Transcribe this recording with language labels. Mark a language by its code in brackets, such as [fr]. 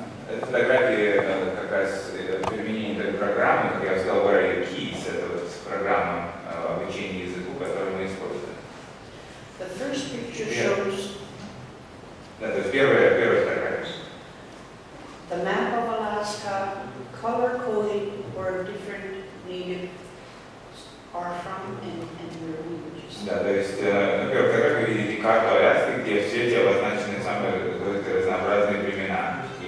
[ru] Это фотография как раз применения этой программы, как я сказал, Where Are Your Keys, это вот программа обучения языку, которую мы используем. [en] The first picture shows... [ru] Да, то есть первая фотография. [en] The map of Alaska, color-coded where different natives are from and their languages. [ru] Да, то есть на первой фотографии видите карту Аляски, где все эти обозначены самые разнообразные племена.